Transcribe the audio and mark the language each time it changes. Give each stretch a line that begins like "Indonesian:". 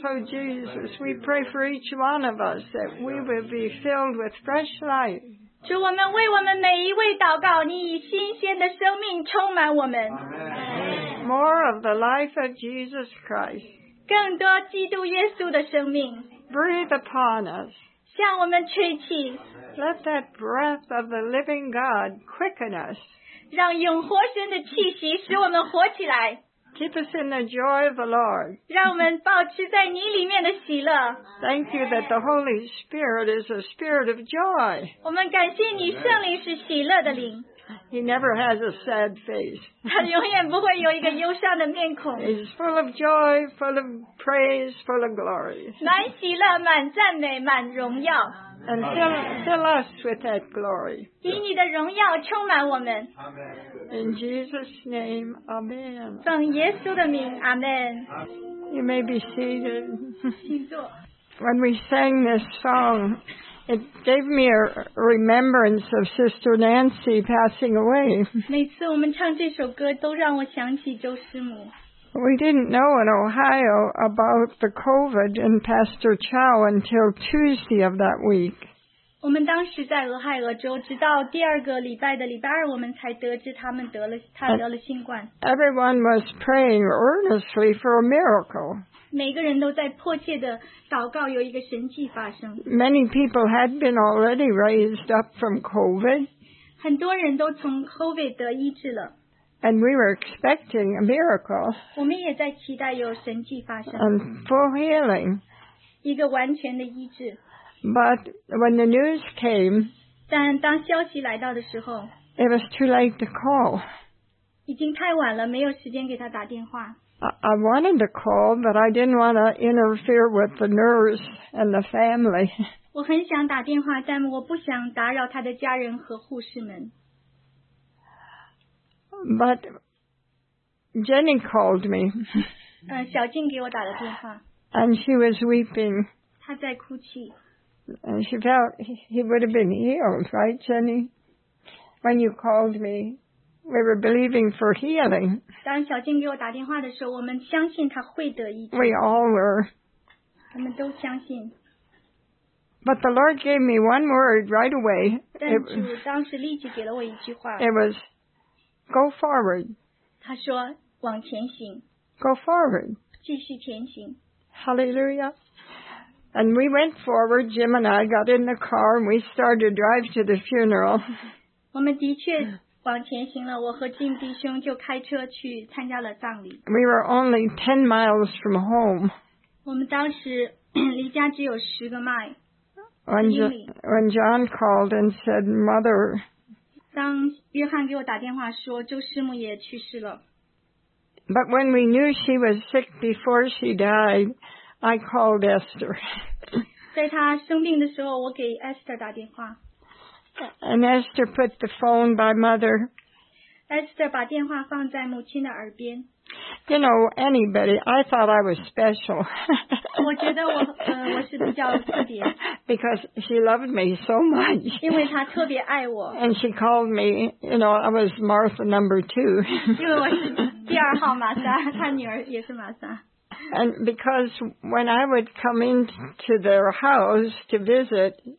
English: Oh, so Jesus, we pray for each one of us that we will be filled with fresh life.
Chinese: 主，我们为我们每一位祷告，你以新鲜的生命充满我们。
English: Amen. More of the life of Jesus Christ.
Chinese: 更多基督耶稣的生命。
English: Breathe upon us.
Chinese: 向我们吹气。
English: Let that breath of the living God quicken us.
Chinese: 让永活神的气息使我们活起来。
English: Keep us in the joy of the Lord.
Chinese: 让我们保持在你里面的喜乐。
English: Thank you that the Holy Spirit is a spirit of joy.
Chinese: 我们感谢你圣灵是喜乐的灵。
English: He never has a sad face.
Chinese: 他永远不会有一个忧伤的面孔。
English: He's full of joy, full of praise, full of glory.
Chinese: 满喜乐，满赞美，满荣耀。
English: And fill us with that glory.
Chinese: 以你的荣耀充满我们。
English: In Jesus' name, Amen.
Chinese: 奉耶稣的名 ，Amen.
English: You may be seated.
Chinese: 请坐。
English: When we sang this song, it gave me a remembrance of Sister Nancy passing away.
Chinese: 每次我们唱这首歌，都让我想起周师母。
English: We didn't know in Ohio about the COVID and Pastor Chow until Tuesday of that week.
Chinese: 我们当时在俄亥俄州，直到第二个礼拜的礼拜二，我们才得知他得了新冠。
English: Everyone was praying earnestly for a miracle.
Chinese: 每个人都在迫切的祷告，有一个神迹发生。
English: Many people had been already raised up from COVID.
Chinese: 很多人都从 COVID 得医治了。
English: And we were expecting a miracle.
Chinese: 我们也在期待有神迹发生。
English: And full healing.
Chinese: 一个完全的医治。
English: But when the news came,
Chinese: 但当消息来到的时候，
English: it was too late to call.
Chinese: 已经太晚了，没有时间给他打电话。
English: I wanted to call, but I didn't want to interfere with the nurse and the family.
Chinese: 我很想打电话，但我不想打扰他的家人和护士们。
English: But Jenny called me.
Chinese: 小静给我打了电话。
English: And she was weeping.
Chinese: 她在哭泣。
English: And she felt he would have been healed, right, Jenny? When you called me, we were believing for healing.
Chinese: 当小静给我打电话的时候，我们相信她会得医治。
English: We all were.
Chinese: 我们都相信。
English: But the Lord gave me one word right away.
Chinese: 但主当时立即给了我一句话。
English: It was. Go forward.
Chinese: 他说往前行。
English: Go forward.
Chinese: 继续前行。
English: Hallelujah. And we went forward. Jim and I got in the car and we started to drive to the funeral.
Chinese: 我们的确往前行了。我和 Jim 弟兄就开车去参加了葬礼。
English: We were only 10 miles from home.
Chinese: 我们当时离家只有十个 mile.
English: When John called and said, Mother,
Chinese: 当约翰给我打电话说周师母也去世了。
English: But when we knew she was sick before she died, I called Esther.
Chinese: 在她生病的时候，我给 Esther 打电话。
English: And Esther put the phone by mother.
Chinese: Esther 把电话放在母亲的耳边。
English: You know anybody? I thought I was special.
Chinese: 我觉得我是比较特别。
English: Because she loved me so much.
Chinese: 因为她特别爱我。
English: And she called me. You know, I was Martha number two.
Chinese: 因为我是第二号玛莎，她女儿也是玛莎。
English: And because when I would come into their house to visit.